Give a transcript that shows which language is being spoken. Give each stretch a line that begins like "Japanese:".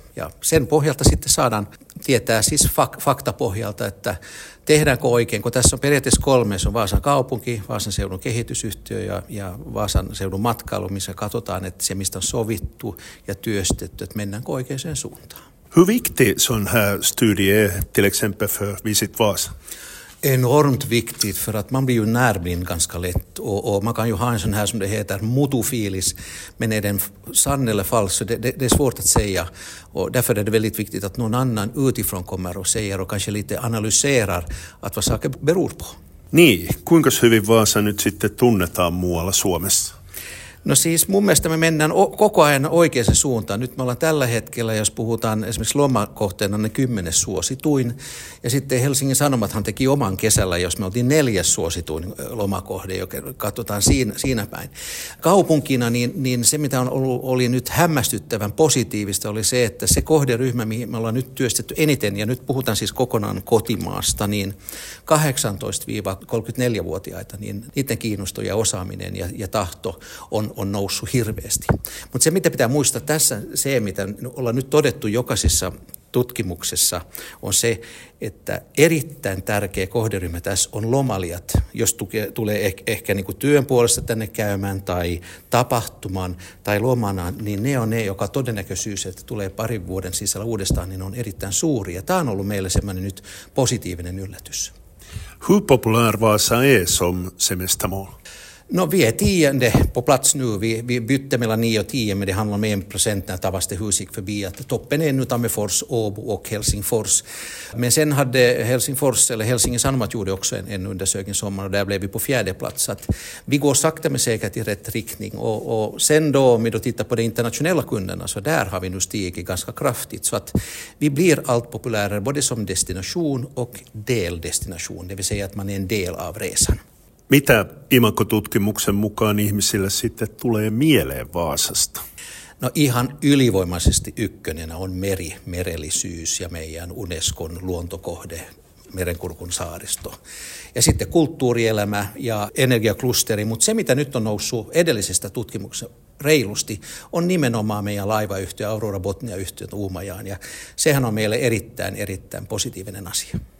Finnish: Ja sen pohjalta sitten saadaan tietää siis faktapohjalta, että tehdäänkö oikein, kun tässä on periaatteessa kolme, se on Vaasan kaupunki, Vaasan seudun kehitysyhtiö ja Vaasan seudun matkailu, missä katsotaan, että se mistä on sovittu ja työstetty, että mennäänkö oikeaan suuntaan.
Swedish: Hur viktig sån här studie till exempel för Visit Vasa? Enormt viktigt, för att man blir ju närblind ganska lätt och man kan ju ha en sån här som det heter mutufilis, men är den sann eller falsk, det är svårt att säga. Och därför är det väldigt viktigt att någon annan utifrån kommer och säger och kanske lite analyserar att vad saker beror på.
Finnish: Niin, kuinka hyvin Vaasa nyt sitten tunnetaan muualla Suomessa? No siis mun mielestä me mennään koko ajan oikeaan suuntaan. Nyt me ollaan tällä hetkellä, jos puhutaan esimerkiksi lomakohteena, ne 10 suosituin. Ja sitten Helsingin Sanomathan teki oman kesällä, jos me oltiin 4 suosituin lomakohde, joka katsotaan siinä päin. Kaupunkina, niin se mitä on ollut, oli nyt hämmästyttävän positiivista, oli se, että se kohderyhmä, mihin me ollaan nyt työstetty eniten, ja nyt puhutaan siis kokonaan kotimaasta, niin 18-34-vuotiaita, niin niiden kiinnosto ja osaaminen ja tahto on noussut hirveästi. Mutta se, mitä pitää muistaa tässä, se, mitä ollaan nyt todettu jokaisessa tutkimuksessa, on se, että erittäin tärkeä kohderyhmä tässä on lomailijat. Jos tulee ehkä niin kuin työn puolesta tänne käymään tai tapahtumaan tai lomana, niin ne on ne, joka todennäköisyys, että tulee parin vuoden sisällä uudestaan, niin on erittäin suuri. Ja tämä on ollut meille semmoinen nyt positiivinen yllätys.
Swedish: Hur populär Vasa är som semestermål? No vi är tionde på plats nu, vi bytte mellan 9 och 10, men det handlar om 1% när Tavaste hus gick förbi, att toppen är nu Tammerfors, Åbo och Helsingfors. Men sen hade Helsingfors, eller Helsingin Sanomat gjorde också en undersökning sommar, och där blev vi på 4:e plats. Så att vi går sakta men säkert i rätt riktning, och sen då om vi då tittar på de internationella kunderna, så där har vi nu stigit ganska kraftigt. Så att vi blir allt populärare både som destination och deldestination, det vill säga att man är en del av resan.
Finnish: Mitä IMAKO-tutkimuksen mukaan ihmisille sitten tulee mieleen Vaasasta? No ihan ylivoimaisesti ykkönenä on meri, merellisyys ja meidän Unescon luontokohde, Merenkurkun saaristo. Ja sitten kulttuurielämä ja energiaklusteri, mutta se mitä nyt on noussut edellisestä tutkimuksesta reilusti, on nimenomaan meidän laivayhtiö, Aurora Botnia-yhtiö Uumajaan. Ja sehän on meille erittäin positiivinen asia.